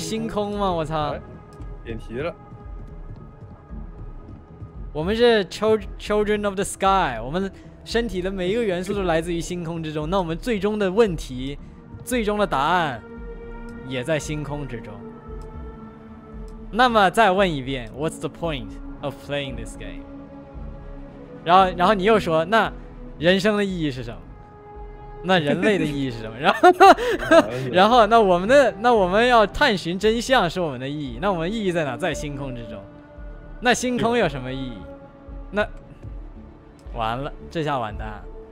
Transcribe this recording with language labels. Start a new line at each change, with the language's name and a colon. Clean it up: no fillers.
Chinese: 星空吗？我操！点题了。我们是
English: children of the sky，
Chinese: 我们身体的每一个元素都来自于星空之中。那我们最终的问题，最终的答案，也在星空之中。那么再问一遍
English: ，What's the point of playing this game？
Chinese: 然后你又说，那人生的意义是什么？那人类的意义是什么？然后那我们要探寻真相是我们的意义。那我们意义在哪？在星空之中。那星空有什么意义？那完了，这下完蛋。